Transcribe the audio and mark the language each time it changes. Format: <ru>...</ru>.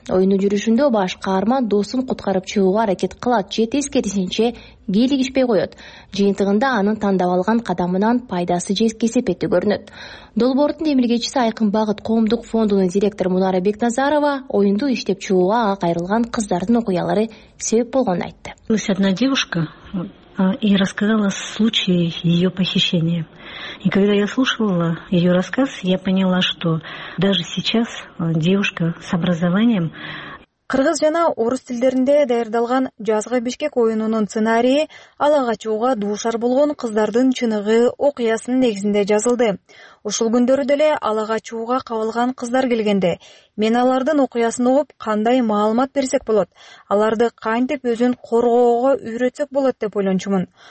<ky>Оюндун жүрүшүндө баш каарман досун куткарып чыгууга аракет кылат, же тескерисинче кийлигишпей коет. Жыйынтыгында анын тандап алган кадамынан пайдасы же кесепети көрүнөт. Долбоордун демилгечиси Айкын Багыт коомдук фондунун директору Мунара Бекназарова оюнду иштеп чыгууга ага кайрылган кыздардын окуялары себеп болгонун айтты.</ky> <ru>Есть одна девушка, и рассказала случай ее похищения. И когда я слушала ее рассказ, я поняла, что даже сейчас девушка с образованием.</ru> <ky>Кыргыз жана орус тилдеринде даярдалган жазгы Бишкек оюнунун сценарийи ал агачууга дуушар болгон кыздардын чыныгы окуясынын негизинде жазылды. Ушул күндөрү деле ал агачууга кабылган кыздар келгенде мен алардын окуясын угуп кандай маалымат берсек болот, аларды кантип өзүн коргоого үйрөтсөк болот деп ойлончумун.</ky>